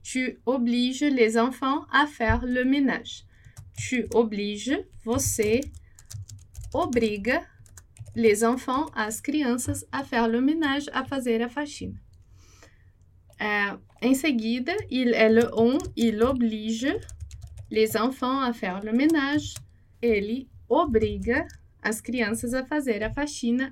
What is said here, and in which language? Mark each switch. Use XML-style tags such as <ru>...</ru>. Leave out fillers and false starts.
<fr>Tu obliges les enfants à faire le ménage. Tu obliges,</fr> <pt>você obriga</pt> <fr>les enfants,</fr> <pt>as crianças,</pt> <fr>à faire le ménage,</fr> <pt>à fazer a faxina. Em seguida,</pt> <fr>il oblige les enfants à faire le ménage.</fr> <pt>Ele obriga as crianças a fazer a faxina.</pt>